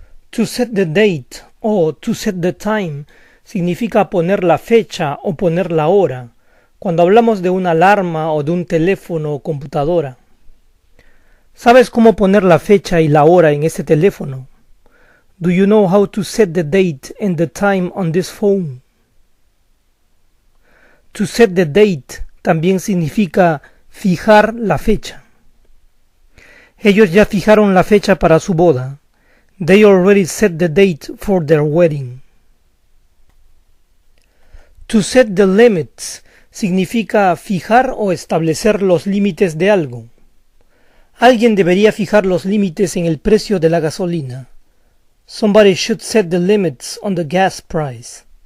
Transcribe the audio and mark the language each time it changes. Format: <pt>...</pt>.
<en>To set the date</en> <es>o</es> <en>to set the time</en> <es>significa poner la fecha o poner la hora cuando hablamos de una alarma o de un teléfono o computadora. ¿Sabes cómo poner la fecha y la hora en ese teléfono?</es> <en>Do you know how to set the date and the time on this phone? To set the date</en> <es>también significa fijar la fecha. Ellos ya fijaron la fecha para su boda.</es> <en>They already set the date for their wedding. To set the limits</en> <es>significa fijar o establecer los límites de algo. Alguien debería fijar los límites en el precio de la gasolina.</es> <en>Somebody should set the limits on the gas price.</en>